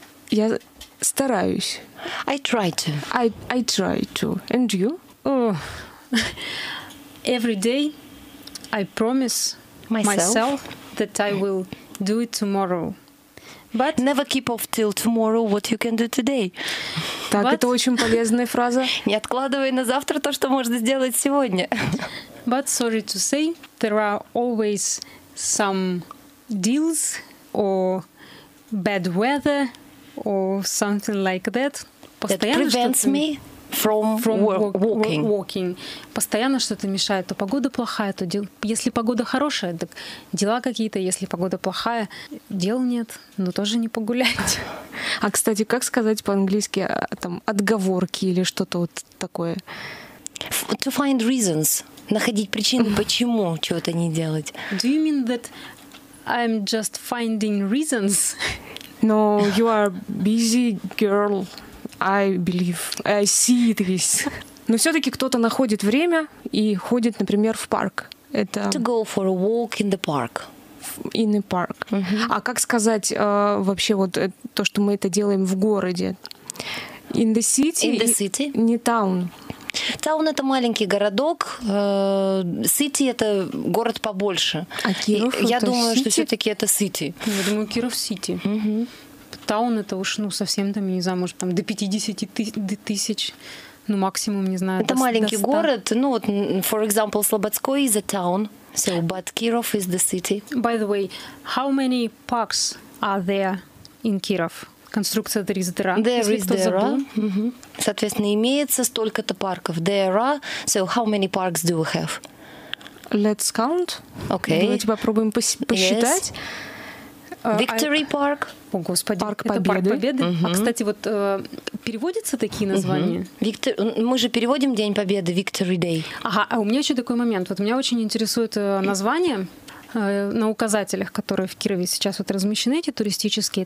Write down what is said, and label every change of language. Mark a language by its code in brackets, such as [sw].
[ru] Я стараюсь. [en] I try to. I try to. And you? Oh. Every day I promise myself that I will do it tomorrow. But never keep off till tomorrow what you can do today. [ru] Так, это очень полезная фраза. Не откладывай на завтра то, что можно сделать сегодня. [en] But sorry to say, there are always some deals or bad weather or something like that. [ru] Постоянно [en] that prevents me from walking. [ru] Постоянно что-то мешает. То погода плохая, то дел. Если погода хорошая, так дела какие-то. Если погода плохая, дел нет. Но тоже не погулять. А, кстати, как сказать по-английски там отговорки или что-то вот такое? [en] To find reasons. [ru] Находить причины, почему чего-то не делать. [en] Do you mean that I'm just finding reasons? No, you are busy girl. I believe. I see this. [ru] Но все-таки кто-то находит время и ходит, например, в парк. Это... [en] To go for a walk in the park. In the park. Mm-hmm. [ru] А как сказать вообще вот то, что мы это делаем в городе? [en] In the city? In the city. [ru] Не town. Town — это маленький городок. City — это город побольше. А Киров — это Я думаю, что все-таки это city. Я думаю, Киров — city. Угу. Таун — это уж, ну, совсем там, не знаю, может, там до 50 тысяч, ну, максимум, не знаю. Это маленький город, ну, вот, [en] for example, Слободской is a town, so, but Kirov is the city. By the way, how many parks are there in Kirov? [ru] Конструкция [en] there is there. There is there. Mm-hmm. [ru] Соответственно, имеется столько-то парков. [en] There are, so how many parks do we have? Let's count. Okay. [ru] Давайте попробуем посчитать. [en] Yes. Victory Park. [ru] О, господи, Парк это Победы. Парк Победы. Uh-huh. А, кстати, вот переводятся такие названия? Uh-huh. Мы же переводим День Победы, [en] Victory Day. [ru] Ага, а у меня еще такой момент. Вот меня очень интересует название на указателях, которые в Кирове сейчас вот размещены, эти туристические.